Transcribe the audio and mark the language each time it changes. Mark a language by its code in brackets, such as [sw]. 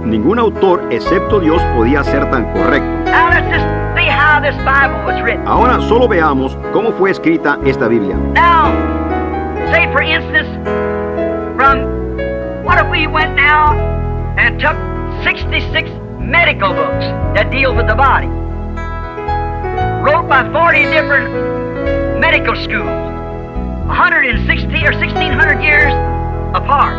[es] Ningún autor excepto Dios podía ser tan correcto. [en] Now let's just see how this Bible was written. [es] Ahora solo veamos cómo fue escrita esta Biblia. [en] Now, say for instance, from what if we went now and took 66 medical books that deal with the body, wrote by 40 different medical schools, 160 or 1600 years apart.